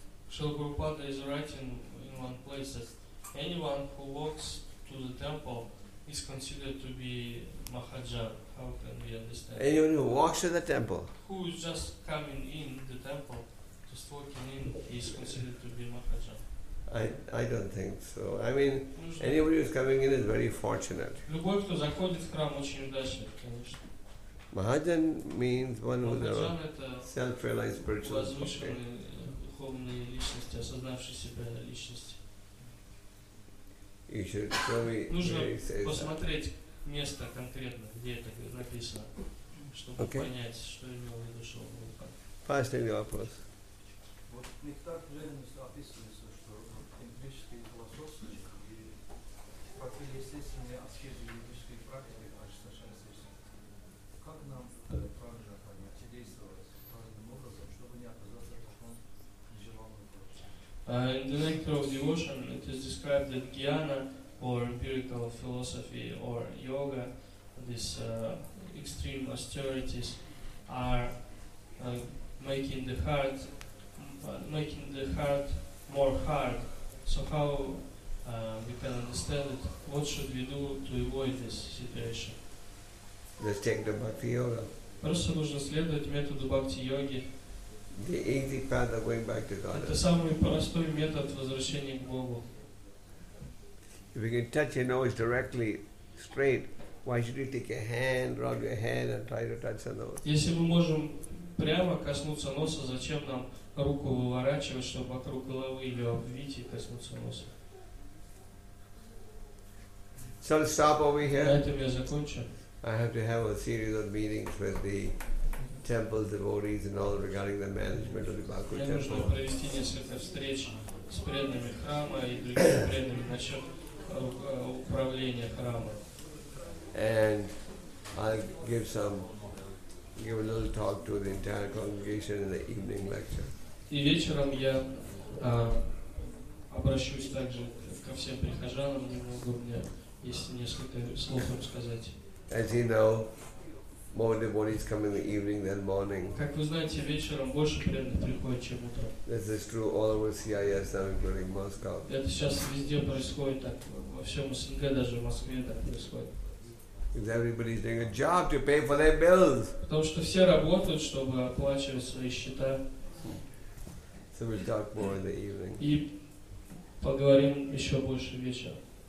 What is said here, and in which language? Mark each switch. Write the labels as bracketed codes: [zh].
[en] Srila Prabhupada is writing in one place that anyone who walks to the temple is considered to be Mahajan. How can we understand? Anyone who walks in the temple. Who is just coming in the temple, just walking in, is considered to be Mahajan. I don't think so. I mean, mm-hmm. anybody who's coming in is very fortunate. [ru] Любой, кто заходит в храм, очень удачен, конечно. [en] Mahajan means one who is a self-realized spiritual. Okay. You should show me. [ru] Нужно [en] where he says [ru] посмотреть [en] that. [ru] Место конкретно, где это написано, чтобы [en] okay. [ru] понять, что имел в виду Шолохов. Последний вопрос. Вот не так жизненно описывается, что индийские философы и какие естественные аскезы индийской практики, значит, совершенно естественно. Как нам правильно понять и действовать правильным образом, чтобы не оказаться в таком нежеланном процессе? [en] In the nectar of devotion, it is described that jnana or empirical philosophy or yoga, these extreme austerities are making the heart more hard. So how we can understand it? What should we do to avoid this situation? Let's take the bhakti yoga. [ru] Просто нужно следовать методу бхакти йоги. [en] The easy path of going back to God. [ru] Это самый простой метод возвращения к Богу. [en] If you can touch your nose directly, straight, why should you take your hand, rub your head, and try to touch the nose? [ru] Если мы можем прямо коснуться носа, зачем нам руку выворачивать, чтобы вокруг головы ее обвить и коснуться носа? [en] So let's stop over here. [ru] На этом я закончу. [en] I have to have a series of meetings with the temple devotees and all regarding the management of the Baku temple. [ru] Мне нужно провести несколько встреч с преданными храма и другими преданными насчет управления храма. [en] And I'll give a little talk to the entire congregation in the evening lecture. [ru] И вечером я обращусь также ко всем прихожанам, немного у меня есть несколько слов вам сказать. [en] As you know, more devotees come in the evening than morning. [ru] Как вы знаете, вечером больше преданных приходит, чем утром. [en] This is true all over CIS, including Moscow. [ru] Это сейчас везде происходит так, во всем СНГ, даже в Москве так происходит. [en] Because everybody's doing a job to pay for their bills. [ru] Потому что все работают, чтобы оплачивать свои счета. [en] So we'll talk more in the evening. [ru] И поговорим еще больше вечером.